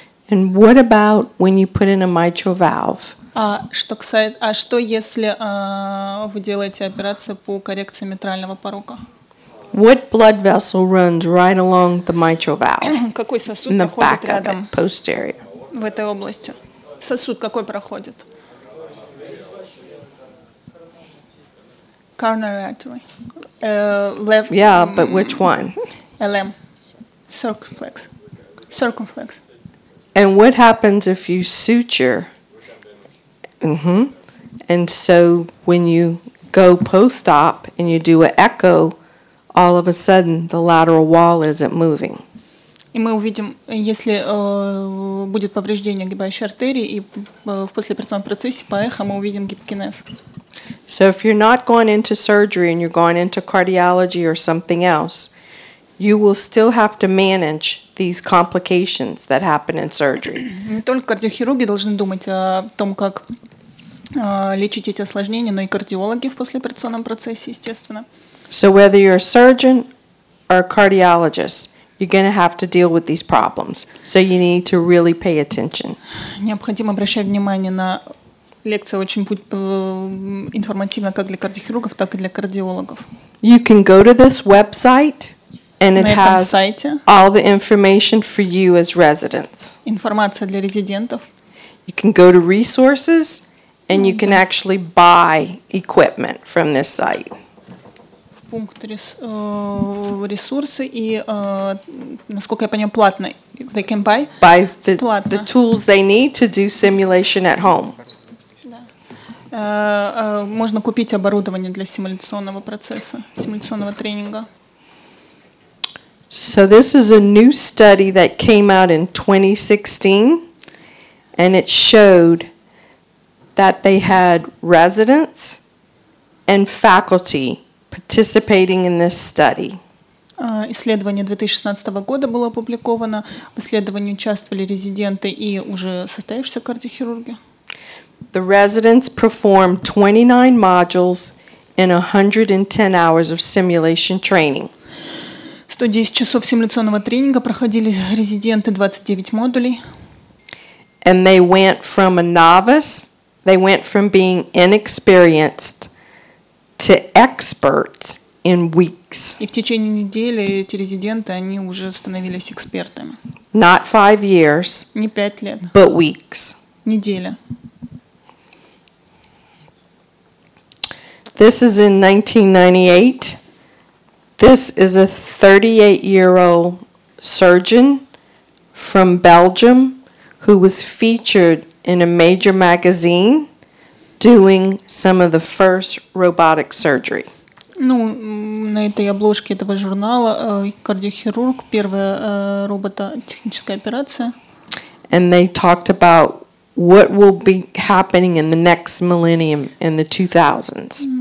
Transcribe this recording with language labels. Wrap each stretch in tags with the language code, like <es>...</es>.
<en>And what about when you put in a mitral valve?</en> <ru>Что если вы делаете операцию по коррекции митрального порока?</ru> <en>What blood vessel runs right along the mitral valve?</en> <ru>Какой сосуд проходит рядом?</ru> <en>Posterior.</en> <ru>В этой области. Сосуд какой проходит?</ru> <en>Coronary artery. Left. Yeah, but which one? LM. Circumflex. And what happens if you suture? And so when you go post-op and you do an echo, all of a sudden the lateral wall isn't moving.</en> <ru>И мы увидим, если будет повреждение гибающей артерии, и в послеоперационном процессе по эхо мы увидим гипокинез.</ru> <en>So if you're not going into surgery and you're going into cardiology or something else, you will still have to manage these complications that happen in surgery.</en> <ru>Не только кардиохирурги должны думать о том, как лечить эти осложнения, но и кардиологи в послеоперационном процессе, естественно.</ru> <en>So whether you're a surgeon or a cardiologist, you're going to have to deal with these problems. So you need to really pay attention.</en> <ru>Необходимо обращать внимание на лекция очень будет информативна как для кардиохирургов, так и для кардиологов.</ru> <en>You can go to this website. And it has</en> <ru>сайте.</ru> <en>All the information for you as residents.</en> <ru>Информация для резидентов.</ru> <en>You can go to resources, and you can actually buy equipment from this site.</en> <ru>В пункт ресурсы и насколько я понимаю, платно.</ru> <en>They can buy. Buy the tools they need to do simulation at home.</en> <ru>Можно купить оборудование для симуляционного процесса, симуляционного тренинга.</ru> <en>So this is a new study that came out in 2016, and it showed that they had residents and faculty participating in this study.</en> <ru>Исследование 2016 года было опубликовано. В исследовании участвовали резиденты и уже состоявшиеся кардиохирурги.</ru> <en>The residents performed 29 modules in 110 hours of simulation training.</en> <ru>110 часов симуляционного тренинга проходили резиденты 29 модулей.</ru> <en>And they went from a novice, they went from being inexperienced to experts in weeks.</en> <ru>И в течение недели эти резиденты, они уже становились экспертами.</ru> <en>Not 5 years.</en> <ru>Не 5 лет.</ru> <en>But weeks.</en> <ru>Неделя.</ru> <en>This is in 1998. This is a 38-year-old surgeon from Belgium who was featured in a major magazine doing some of the first robotic surgery.</en> <ru>Ну, на этой обложке этого журнала кардиохирург, первая робототехническая операция.</ru> <en>And they talked about what will be happening in the next millennium in the 2000s.</en>